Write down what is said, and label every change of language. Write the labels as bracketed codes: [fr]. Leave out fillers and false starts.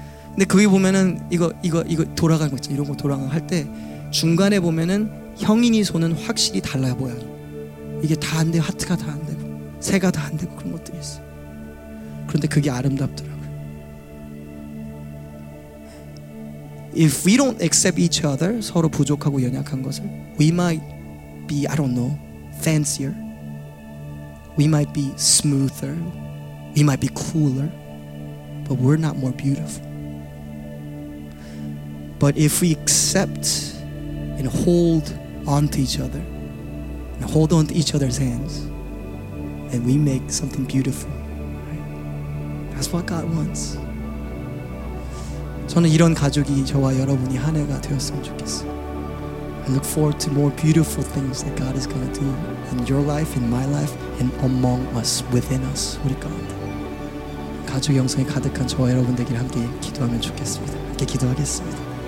[ko] 근데 거기 보면은 이거 돌아가는 거 있죠. 이런 거 돌아가는 거 할 때 중간에 보면은 형인이 손은 확실히 달라요. 모양이 이게 다 안 돼요. 하트가 다 안 되고 새가 다 안 되고 그런 것들이 있어요. 그런데 그게 아름답더라고요. [en] If we don't accept each other, [ko] 서로 부족하고 연약한 것을, [en] we might be, I don't know, fancier. We might be smoother. We might be cooler. But we're not more beautiful. But if we accept and hold on to each other, and hold on to each other's hands, then we make something beautiful. Right? That's what God wants. [ko] 저는 이런 가족이 저와 여러분이 한 해가 되었으면 좋겠어요. [en] I look forward to more beautiful things that God is going to do in your life, in my life, and among us, within us, [ko] 우리 가운데. 가족 영성이 가득한 저와 여러분들끼리 함께 기도하면 좋겠습니다. 함께 기도하겠습니다.